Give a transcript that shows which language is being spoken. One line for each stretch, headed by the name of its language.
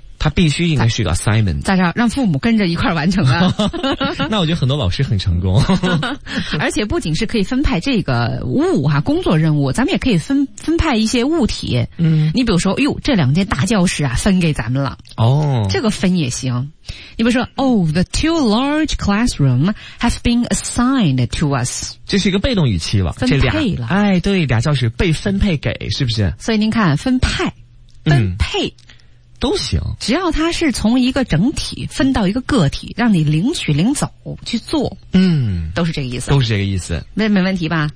Chinese: 他必须应该是一个 assignment，在这儿让父母跟着一块完成啊。那我觉得很多老师很成功。而且不仅是可以分派这个物啊，工作任务，咱们也可以分派一些物体。嗯，你比如说，哟，这两间大教室啊，分给咱们了。哦，这个分也行。你比如说
English: ，Oh, the two large classroom have been assigned to us。
Chinese: 这是一个被动语气了，分配了。哎，对，俩教室被分配给，是不是？所以您看，分派，分配。嗯都行，只要它是从一个整体分到一个个体，让你领取领走去做，嗯，都是这个意思，都是这个意思，没问题吧？